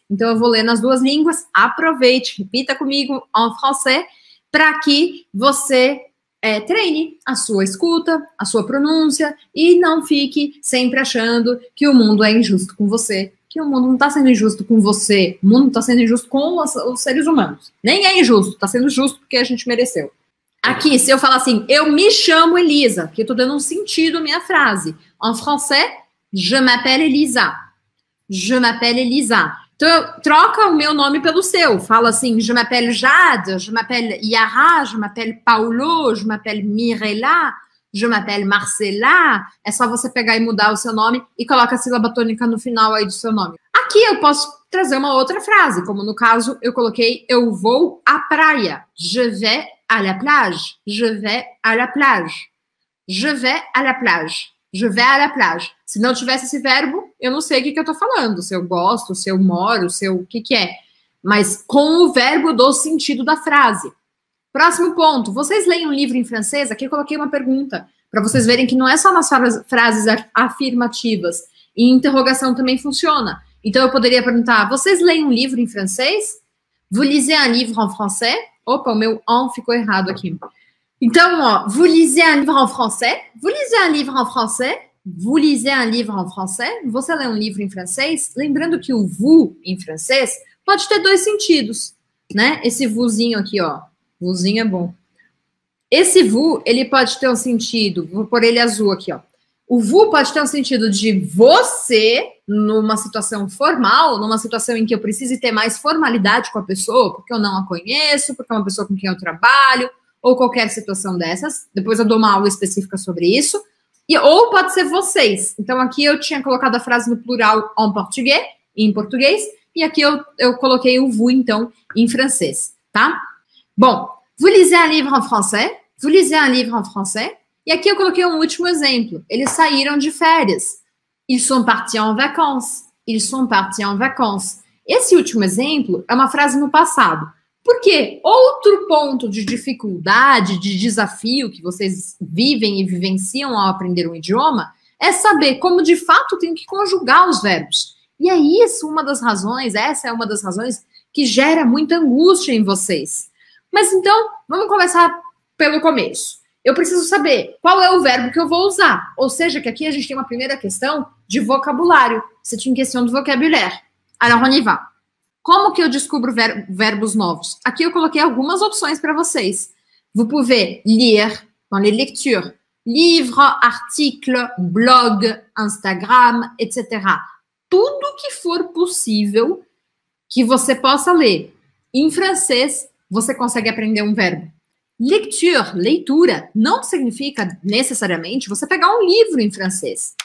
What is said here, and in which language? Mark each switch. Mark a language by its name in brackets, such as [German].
[Portuguese] Então, eu vou ler nas duas línguas. Aproveite, repita comigo, [French] en français, [Portuguese] para que você treine a sua escuta, a sua pronúncia e não fique sempre achando que o mundo é injusto com você. Que o mundo não está sendo injusto com você. O mundo está sendo injusto com os seres humanos. Nem é injusto, está sendo justo porque a gente mereceu. Aqui, se eu falar assim: eu me chamo Elisa, que eu tô dando um sentido à minha frase. [French] En français, je m'appelle Elisa. Je m'appelle Elisa. [Portuguese] Então, troca o meu nome pelo seu. Fala assim: [French] je m'appelle Jade, je m'appelle Yara, je m'appelle Paulo, je m'appelle Mirella, je m'appelle Marcela. [Portuguese] É só você pegar e mudar o seu nome e coloca a sílaba tônica no final aí do seu nome. Aqui eu posso trazer uma outra frase, como no caso eu coloquei: eu vou à praia. [French] Je vais à la plage. Je vais à la plage. Je vais à la plage. Je vais à la plage. [Portuguese] Se não tivesse esse verbo, eu não sei o que eu estou falando. Se eu gosto, se eu moro, se eu... O que é? Mas com o verbo eu dou sentido da frase. Próximo ponto. Vocês leem um livro em francês? Aqui eu coloquei uma pergunta para vocês verem que não é só nas frases afirmativas. E interrogação também funciona. Então eu poderia perguntar: vocês leem um livro em francês? [French] Vous lisez un livre en français? [Portuguese] Opa, o meu en ficou errado aqui. Então, ó, [French] vous lisez un livre en français? Vous lisez un livre en français? Vous lisez un livre en français? [Portuguese] Você lê um livro em francês? Lembrando que o vous em francês pode ter dois sentidos, né? Esse vousinho aqui, ó. Vousinho é bom. Esse vous, ele pode ter um sentido, vou pôr ele azul aqui, ó. O vous pode ter um sentido de você numa situação formal, numa situação em que eu precise ter mais formalidade com a pessoa, porque eu não a conheço, porque é uma pessoa com quem eu trabalho, ou qualquer situação dessas. Depois eu dou uma aula específica sobre isso. Ou pode ser vocês. Então aqui eu tinha colocado a frase no plural en português, em português, e aqui eu coloquei o vous, então, em francês, tá? [French] Bom, vous lisez un livre en français? Vous lisez un livre en français? [Portuguese] E aqui eu coloquei um último exemplo. Eles saíram de férias. [French] Ils sont partis en vacances. Ils sont partis en vacances. [Portuguese] Esse último exemplo é uma frase no passado. Por quê? Outro ponto de dificuldade, de desafio que vocês vivem e vivenciam ao aprender um idioma é saber como de fato tem que conjugar os verbos. E é isso uma das razões, essa é uma das razões que gera muita angústia em vocês. Mas então, vamos começar pelo começo. Eu preciso saber qual é o verbo que eu vou usar. Ou seja, que aqui a gente tem uma primeira questão de vocabulário. Você tinha questão de vocabulário. [French] Alors, on y va. [Portuguese] Como que eu descubro verbos novos? Aqui eu coloquei algumas opções para vocês. [French] Vous pouvez lire dans les lectures. Livre, article, blog, Instagram, etc. [Portuguese] Tudo que for possível que você possa ler. Em francês, você consegue aprender um verbo. Lecture, leitura, não significa necessariamente você pegar um livro em francês.